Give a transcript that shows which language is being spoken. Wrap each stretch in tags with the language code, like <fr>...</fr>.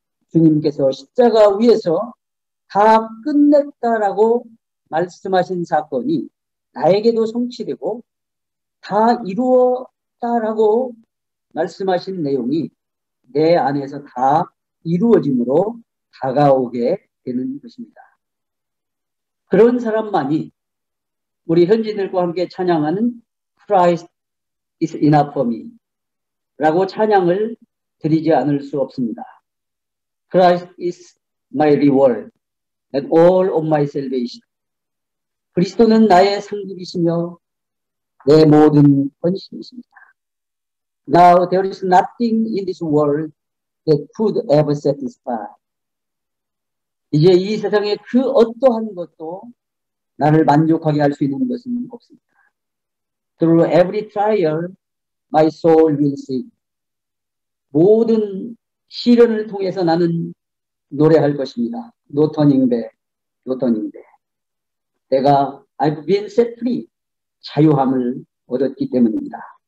<ko>주님께서 십자가 위에서 다 끝냈다라고 말씀하신 사건이 나에게도 성취되고 다 이루었다라고 말씀하신 내용이 내 안에서 다 이루어짐으로 다가오게 되는 것입니다. 그런 사람만이 우리 현지인들과 함께 찬양하는</ko> <en>Christ is enough for me</en> <ko>라고 찬양을 드리지 않을 수 없습니다.</ko> <en>Christ is my reward and all of my salvation.</en> <ko>그리스도는 나의 상급이시며 내 모든 헌신이십니다.</ko> <en>Now there is nothing in this world that could ever satisfy.</en> <ko>이제 이 세상에 그 어떠한 것도 나를 만족하게 할 수 있는 것은 없습니다.</ko> <en>Through every trial, my soul will sing.</en> <ko>모든 시련을 통해서 나는 노래할 것입니다.</ko> <en>No turning back, no turning back.</en> <ko>내가</ko> <en>I've been set free.</en> <ko>자유함을 얻었기 때문입니다.</ko>